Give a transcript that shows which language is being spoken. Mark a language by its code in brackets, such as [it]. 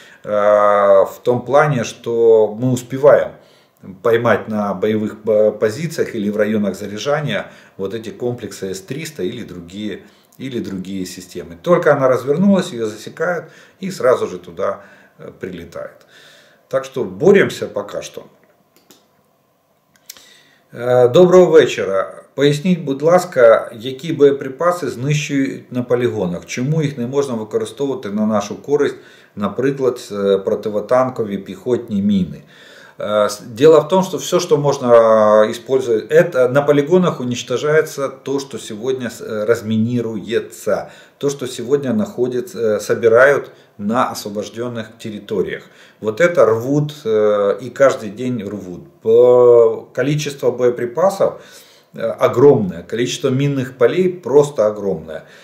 [ru] В том плане, что мы успеваем поймать на боевых позициях или в районах заряжания вот эти комплексы С-300 или другие системы. Только она развернулась, ее засекают и сразу же туда прилетает. Так что боремся пока что. Доброго вечера. [uk] Поясніть, будь ласка, які боєприпаси знищують на полігонах, чому їх не можна використовувати на нашу користь, наприклад, противотанкові піхотні міни. [ru] Дело в том, что все, что можно использовать, это на полигонах уничтожается то, что сегодня разминируется, то, что сегодня находят, собирают на освобожденных территориях. Вот это рвут и каждый день рвут. Количество боеприпасов огромное, количество минных полей просто огромное.